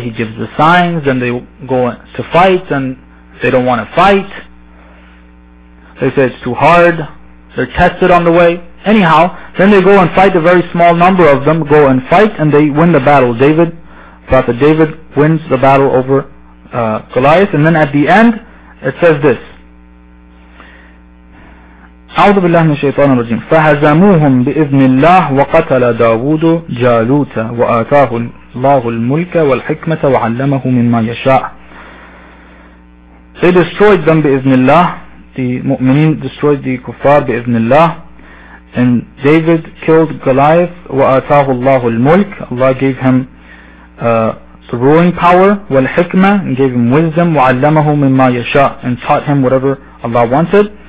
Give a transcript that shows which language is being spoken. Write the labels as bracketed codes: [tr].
[en] He gives the signs and they go to fight and they don't want to fight. They say it's too hard. They're tested on the way. Anyhow, then they go and fight. A very small number of them go and fight and they win the battle. David, Prophet David wins the battle over Goliath. And then at the end, it says this. [ar] أعوذ بالله من الشيطان الرجيم فهزموهم بإذن الله وقتل داود جالوت وآتاه الله الملك والحكمة وعلمه مما يشاء. [en] They destroyed them [ar] بإذن الله. [en] The mu'mineen destroyed the kuffar بإذن الله. And David killed Goliath, [ar] وَأَتَاهُ اللَّهُ الْمُلْكِ. [en] Allah gave him the ruling power, [ar] وَالْحِكْمَةِ, [en] and gave him wisdom, [ar] وَعَلَّمَهُ مِمَّا يَشَاءُ, [en] and taught him whatever Allah wanted.